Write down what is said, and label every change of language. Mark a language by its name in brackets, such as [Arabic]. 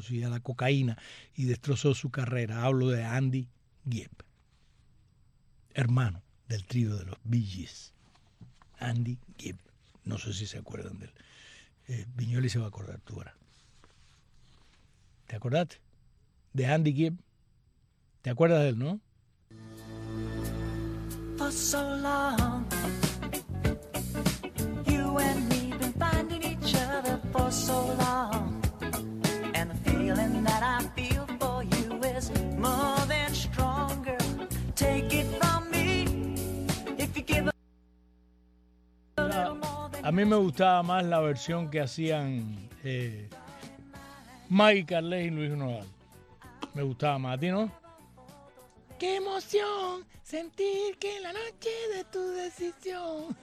[Spanish] Sí, a la cocaína, y destrozó su carrera. Hablo de Andy Gibb, hermano del trío de los Bee Gees, Andy Gibb. No sé si se acuerdan de él. Viñoli se va a acordar tú ahora. ¿Te acordaste de Andy Gibb? ¿Te acuerdas de él, no? [English] For so long, you and me been finding each other for so long, and the feeling that I feel for you is more than stronger. Take it from me. [Spanish] A mí me gustaba más la versión que hacían Maggie Carles y Luis Nodal. Me gustaba más. ¿A ti no? ¡Qué emoción sentir que en la noche de tu decisión!